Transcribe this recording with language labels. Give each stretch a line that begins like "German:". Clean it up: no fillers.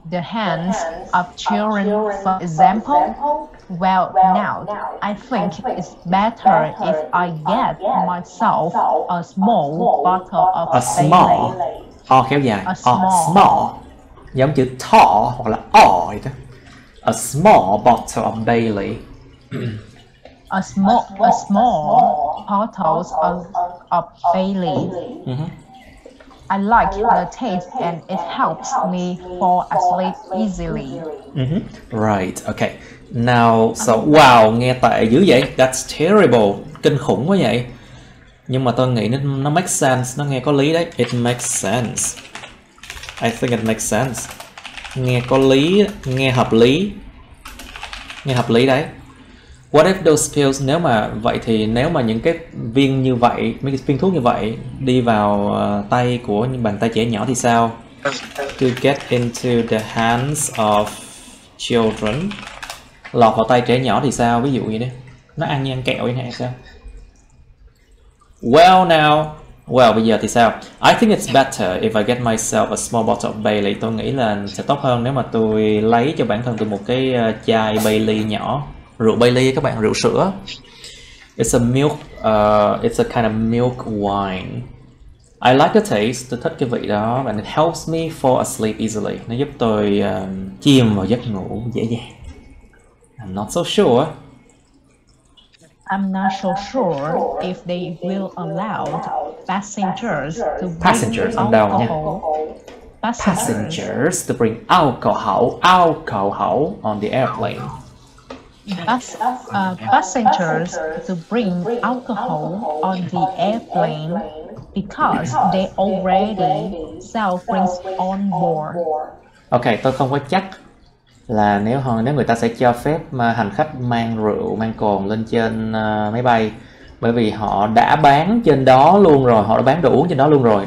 English: What if those pills get into the hands of children, for example? Well, now, I think it's better if I get myself a small bottle of a small. Oh,
Vietnamese: kéo dài.
English: A small.
Vietnamese: Giống chữ thỏ hoặc là o vậy đó.
English: A small bottle of Bailey. A small bottle of Bailey. Mm-hmm. I like the taste and it helps me fall asleep easily. Mm-hmm. Right, okay. Now, so, wow,
Vietnamese: nghe tệ dữ vậy.
English: That's terrible.
Vietnamese: Kinh khủng quá vậy. Nhưng mà tôi nghĩ nó
English: makes sense.
Vietnamese: Nó nghe có lý đấy.
English: It makes sense. I think it makes sense.
Vietnamese: Nghe có lý, nghe hợp lý. Nghe hợp lý đấy.
English: What if those pills,
Vietnamese: nếu mà vậy thì nếu mà những cái viên như vậy, mấy cái viên thuốc như vậy đi vào tay của những bàn tay trẻ nhỏ thì sao?
English: To get into the hands of children.
Vietnamese: Lọt vào tay trẻ nhỏ thì sao? Ví dụ như thế. Nó ăn như ăn kẹo như thế sao?
English: Well now. Well,
Vietnamese: bây giờ thì sao?
English: I think it's better if I get myself a small bottle of Bailey.
Vietnamese: Tôi nghĩ là sẽ tốt hơn nếu mà tôi lấy cho bản thân tôi một cái chai Bailey nhỏ. Rượu Bailey các bạn, rượu sữa.
English: It's a milk, it's a kind of milk wine. I like the taste,
Vietnamese: tôi thích cái vị đó.
English: And it helps me fall asleep easily.
Vietnamese: Nó giúp tôi chìm vào giấc ngủ dễ dàng.
English: I'm not so sure. I'm not so sure if they will allow passengers to bring passengers, alcohol. Passengers to bring alcohol on the airplane. Passengers to bring alcohol on the airplane because they already sell drinks on board.
Vietnamese: Okay, tôi không có chắc. Là nếu người ta sẽ cho phép mà hành khách mang rượu, mang cồn lên trên máy bay. Bởi vì họ đã bán trên đó luôn rồi, họ đã bán đồ uống trên đó luôn rồi.